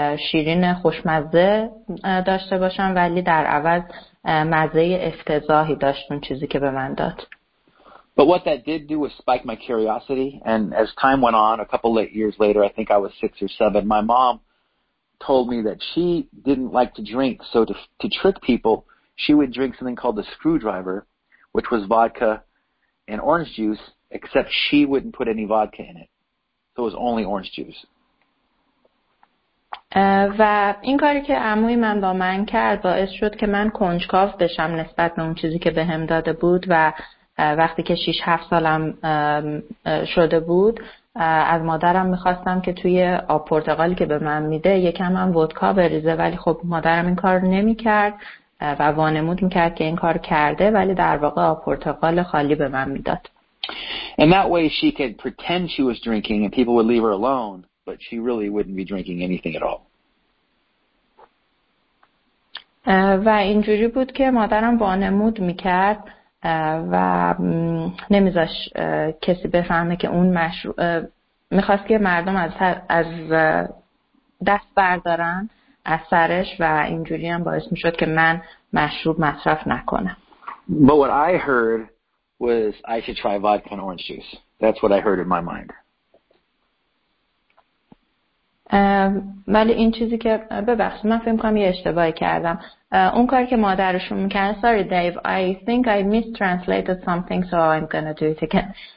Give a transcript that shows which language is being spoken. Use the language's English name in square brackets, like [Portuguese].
[Persian] شیرین خوشمزه داشته باشم، ولی در عوض مزه افتضاحی داشت اون چیزی که به من داد. [English] But what that did do was spike my curiosity, and as time went on, a couple of years later, I think I was 6 or 7, my mom told me that she didn't like to drink, so to trick people, she would drink something called the screwdriver, which was vodka and orange juice, except she wouldn't put any vodka in it. So it was only orange juice. [Persian] و این کاری که عموی من با من کرد باعث شد که من کنجکاو بشم نسبت به اون چیزی که به هم داده بود و وقتی که 6-7 سالم شده بود از مادرم میخواستم که توی آب پرتقالی که به من میده یکم هم ودکا بریزه، ولی خب مادرم این کار نمی کرد و وانمود میکرد که این کار کرده، ولی در واقع آب پرتقال خالی به من میداد. [English] And that way she could pretend she was drinking and people would leave her alone, but she really wouldn't be drinking anything at all. [Persian] و اینجوری بود که مادرم وانمود میکرد و نمیذاش کسی بفهمه که اون مشروع میخواست که مردم از دست بردارن از سرش، و اینجوری هم باعث میشد که من مشروب مصرف نکنم. [English] But what I heard was I should try vodka and orange juice. That's what I heard in my mind. [Persian] ولی این چیزی که ببخشید من فکر می‌کنم یه اشتباهی کردم. اون کاری که مادرشون میکرد، [English] sorry Dave, I think I mistranslated something, so I'm gonna do it again.